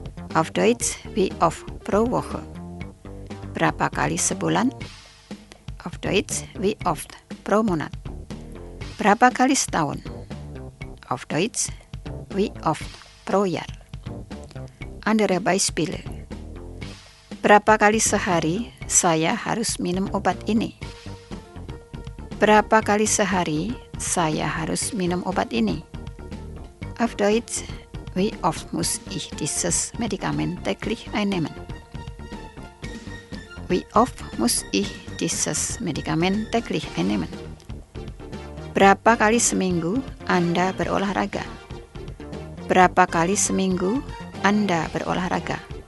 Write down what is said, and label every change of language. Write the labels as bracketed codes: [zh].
[de] Auf Deutsch, wie oft pro Woche? [id] Berapa kali sebulan? [de] Auf Deutsch, wie oft pro Monat? [id] Berapa kali setahun? [de] Auf Deutsch, wie oft pro Jahr? Andere Beispiele. [id] Berapa kali sehari saya harus minum obat ini? Berapa kali sehari saya harus minum obat ini? [de] Auf Deutsch, wie oft muss ich dieses Medikament täglich einnehmen? Wie oft muss ich dieses Medikament täglich einnehmen? [id] Berapa kali seminggu Anda berolahraga? Berapa kali seminggu Anda berolahraga?